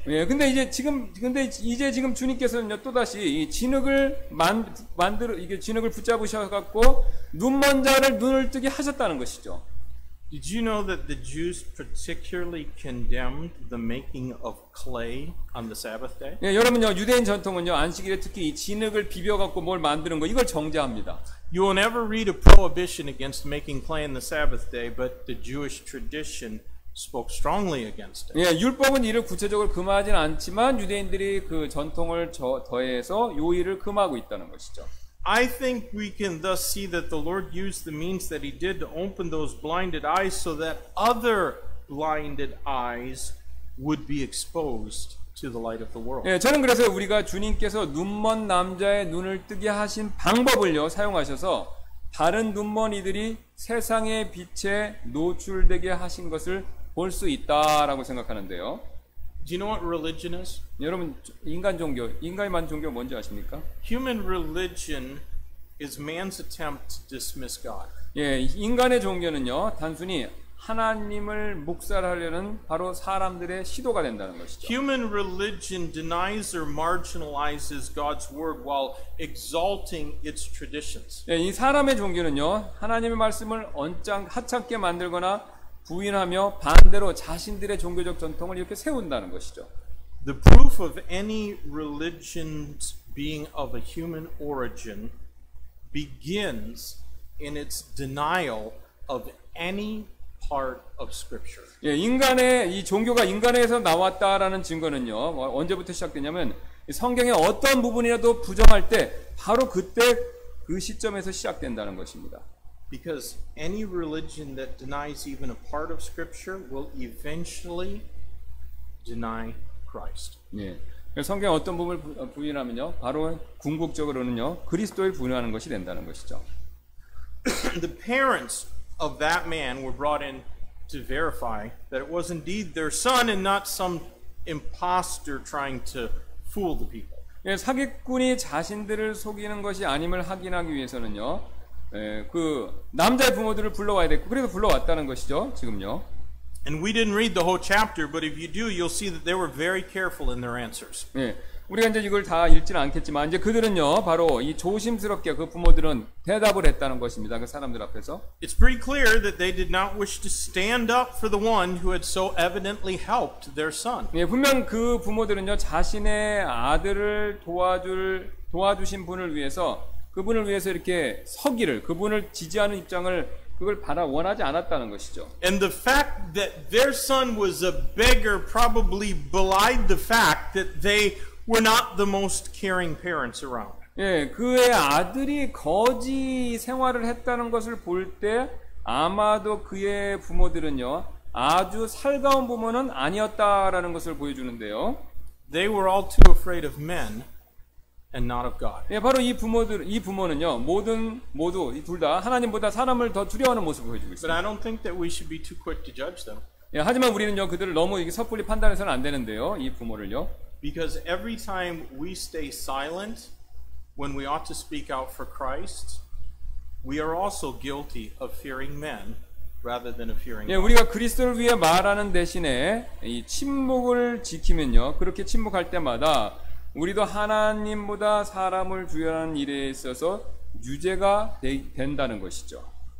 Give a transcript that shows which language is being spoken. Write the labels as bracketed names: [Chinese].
[Korean] 예, 근데 이제 지금 주님께서는요 또다시 이 진흙을 만들어 이게 진흙을 붙잡으셔 갖고 눈먼 자를 눈을 뜨게 하셨다는 것이죠. [English] Did you know that the Jews particularly condemned the making of clay on the Sabbath day? [Korean] 예, 여러분요 유대인 전통은요 안식일에 특히 이 진흙을 비벼 갖고 뭘 만드는 거 이걸 정죄합니다. [English] You will never read a prohibition against making clay on the Sabbath day, but the Jewish tradition spoke strongly against it. [Korean] 예, 율법은 이를 구체적으로 금하진 않지만 유대인들이 그 전통을 더해서 요 일을 금하고 있다는 것이죠. [English] I think we can thus see that the Lord used the means that he did to open those blinded eyes so that other blinded eyes would be exposed to the light of the world. [Korean] 예, 저는 그래서 우리가 주님께서 눈먼 남자의 눈을 뜨게 하신 방법을요 사용하셔서 다른 눈먼 이들이 세상의 빛에 노출되게 하신 것을 볼 수 있다라고 생각하는데요. [English] Do you know what religion is? [Korean] 여러분 인간 종교, 인간만 종교 뭔지 아십니까? [English] Human religion is man's attempt to dismiss God. [Korean] 예, 인간의 종교는요 단순히 하나님을 묵살하려는 바로 사람들의 시도가 된다는 것이죠. [English] Human religion denies or marginalizes God's word while exalting its traditions. [Korean] 예, 이 사람의 종교는요 하나님의 말씀을 언짢 하찮게 만들거나 부인하며 반대로 자신들의 종교적 전통을 이렇게 세운다는 것이죠. [English] The proof of any religion's being of a human origin begins in its denial of any part of scripture. [Korean] 예, 인간의 이 종교가 인간에서 나왔다라는 증거는요. 언제부터 시작되냐면 성경의 어떤 부분이라도 부정할 때 바로 그때 그 시점에서 시작된다는 것입니다. [English] Because any religion that denies even a part of scripture will eventually deny Christ. [Korean] 예. 성경 어떤 부분을 부인하면요, 바로 궁극적으로는요, 그리스도를 부인하는 것이 된다는 것이죠. [English] The parents of that man were brought in to verify that it was indeed their son and not some impostor trying to fool the people. [Korean] 예, 사기꾼이 자신들을 속이는 것이 아님을 확인하기 위해서는요. 예, 그 남자의 부모들을 불러와야 됐고 그래서 불러왔다는 것이죠 지금요. [English] And we didn't read the whole chapter, but if you do, you'll see that they were very careful in their answers. [Korean] 예, 우리가 이제 이걸 다 읽지는 않겠지만 이제 그들은요 바로 이 조심스럽게 그 부모들은 대답을 했다는 것입니다 그 사람들 앞에서. [English] It's pretty clear that they did not wish to stand up for the one who had so evidently helped their son. [Korean] 예, 분명 그 부모들은요 자신의 아들을 도와주신 분을 위해서. 그분을 위해서 이렇게 서기를 그분을 지지하는 입장을 그걸 바라 원하지 않았다는 것이죠. [English] And the fact that their son was a beggar probably belied the fact that they were not the most caring parents around. [Korean] 예, 그의 아들이 거지 생활을 했다는 것을 볼 때 아마도 그의 부모들은요 아주 살가운 부모는 아니었다라는 것을 보여주는데요. [English] They were all too afraid of men. And not of God. [Korean] 예, 바로 이 부모는요 모두 이 둘 다 하나님보다 사람을 더 두려워하는 모습을 보여주고 있습니다. [English] But I don't think that we should be too quick to judge them. [Korean] 예, 하지만 우리는요 그들을 너무 이렇게 섣불리 판단해서는 안 되는데요 이 부모를요. [English] Because every time we stay silent when we ought to speak out for Christ, we are also guilty of fearing men rather than of fearing God. [Korean] 예, 우리가 그리스도를 위해 말하는 대신에 이 침묵을 지키면요 그렇게 침묵할 때마다 우리도 하나님보다 사람을 주여하는 일에 있어서 유죄가 된다는 것이죠.